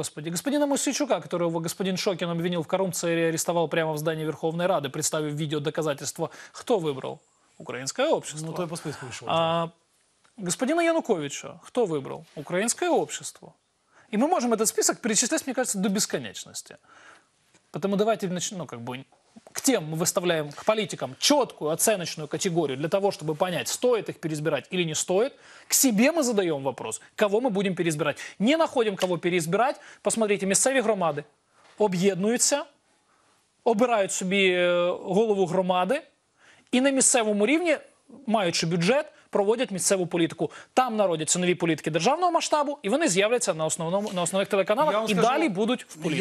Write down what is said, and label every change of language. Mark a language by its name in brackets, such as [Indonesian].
[Ukrainian] Господина Мосійчука, которого господин Шокін обвинив в корупції і арестував прямо в здании Верховної Ради, представив відео доказательства, хто вибрав? Українське общество. Ну, той по списку вийшов. Господина Януковича, хто вибрав? Українське общество. І ми можемо цей список перечислити, мені кажется, до безконечності. [Russian] Тому давайте почнемо, к тем мы выставляем, к политикам, четкую оценочную категорию для того, чтобы понять, стоит их переизбирать или не стоит. К себе мы задаем вопрос, кого мы будем переизбирать. Не находим, кого переизбирать. [Ukrainian] Посмотрите, місцеві громади об'єднуються, обирають собі голову громади і на місцевому рівні, маючи бюджет, проводять місцеву політику. Там народяться нові політики державного масштабу, і вони з'являться на основних телеканалах і далі будуть в політиці.